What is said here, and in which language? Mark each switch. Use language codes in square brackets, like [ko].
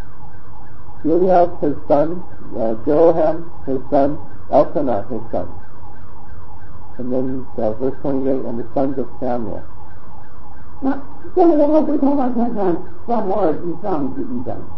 [zh] 拿哈的儿子是以利亚，以利亚的儿子是耶罗汉，耶罗汉的儿子是以利加拿，以利加拿的儿子是撒母耳。 [en] Eliab's son, Jeroham, his son, Elkanah, his son. And then verse 28, and the sons of Samuel. [zh] 那现在我们回头来看看撒母耳记上第一章。